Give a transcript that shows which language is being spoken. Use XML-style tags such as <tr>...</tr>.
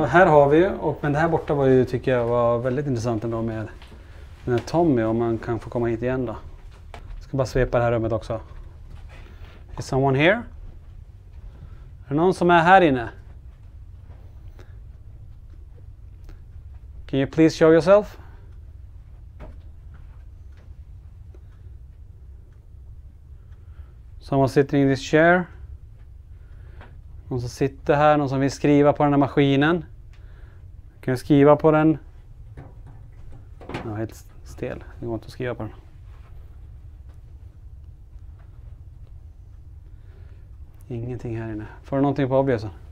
<sv>Ja, här har vi ju, men det här borta var ju, tycker jag var väldigt intressant ändå med. Men Tommy, om man kan få komma hit igen då. Ska bara svepa det här rummet också.</sv> <en>Is someone here?</en> <sv>Är det någon som är här inne?</sv> <en>Can you please show yourself? Someone sitting in this chair.</en> <sv>Någon som sitter här, någon som vill skriva på den här maskinen. Kan jag skriva på den? Ja, helt stel. Det går inte att skriva på den. Ingenting här inne. Får du någonting på obviousen?</sv>